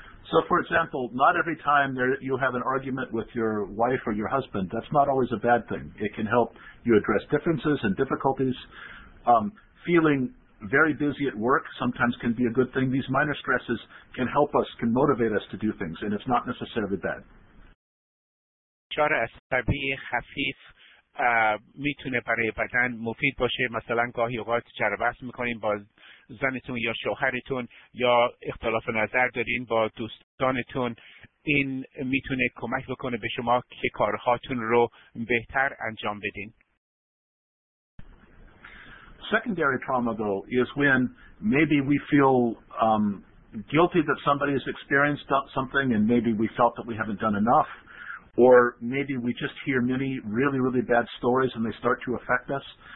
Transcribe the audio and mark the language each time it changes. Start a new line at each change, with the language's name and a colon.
English: So for example, not every time you have an argument with your wife or your husband, that's not always a bad thing. It can help you address differences and difficulties. Feeling very busy at work sometimes can be a good thing. These minor stresses can help us, can motivate us to do things, and it's not necessarily bad.
Persian: فشار عصبی خفیف میتونه برای بدن مفید باشه. مثلا گاهی اوقات چرا بحث میکنین با زنتون یا شوهرتون، یا اختلاف نظر دارین با دوستانتون، این میتونه کمک بکنه به شما که کارهاتون رو بهتر انجام بدین.
English: Secondary trauma though is when maybe we feel guilty that somebody has experienced something, and maybe we felt that we haven't done enough, or maybe we just hear many really, really bad stories and they start to affect us.